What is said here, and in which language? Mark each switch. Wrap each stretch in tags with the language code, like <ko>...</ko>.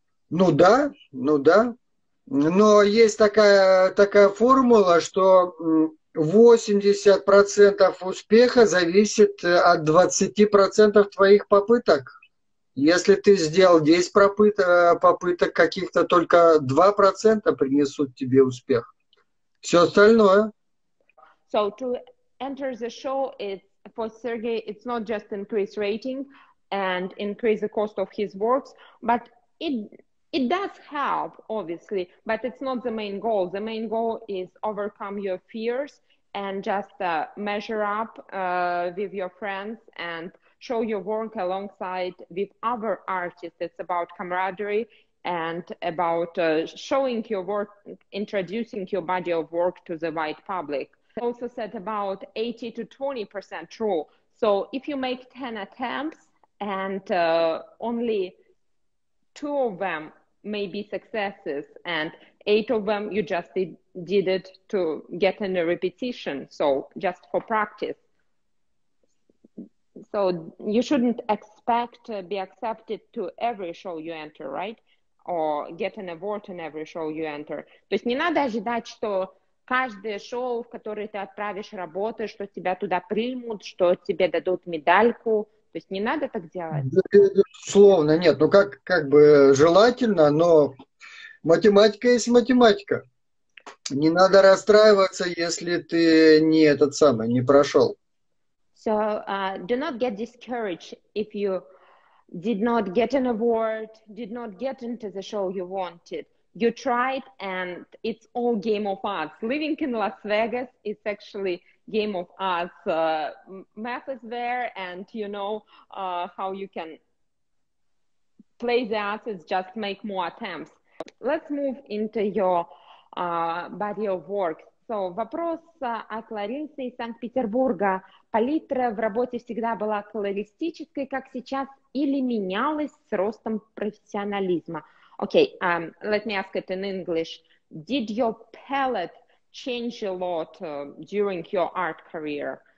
<ru>Ну да, ну да. Но есть такая формула, что 80% успеха зависит от 20% твоих попыток. Если ты сделал 10 попыток каких-то, только 2% принесут тебе успех. Все остальное.</ru> <en>Enter the show, it's for Sergey, it's not just increase rating and increase the cost of his works, but it does help, obviously, but it's not the main goal. The main goal is overcome your fears and just measure up with your friends and show your work alongside with other artists. It's about camaraderie and about showing your work, introducing your body of work to the wide public. Also said about 80 to 20% true. So if you make 10 attempts and only two of them may be successes and eight of them you just did it to get in a repetition, so just for practice. So you shouldn't expect to be accepted to every show you enter, right? Or get an award in every show you enter.</en> <ru>То есть не надо ожидать, что каждое шоу, в которое ты отправишь работу, что тебя туда примут, что тебе дадут медальку. То есть не надо так делать? Безусловно, нет. Ну, как бы желательно, но математика есть математика. Не надо расстраиваться, если ты не этот самый, не прошел.</ru> <en>So, do not get discouraged if you did not get an award, did not get into the show you wanted. You tried, and it's all game of odds. Living in Las Vegas is actually game of odds. Math is there, and you know how you can play the odds is just make more attempts. Let's move into your body of work.</en> <ru>So, вопрос от Ларисы из Санкт-Петербурга. Палитра в работе всегда была колористической, как сейчас, или менялась с ростом профессионализма?</ru> <en>Okay, let me ask it in English. Did your palette change a lot during your art career?</en>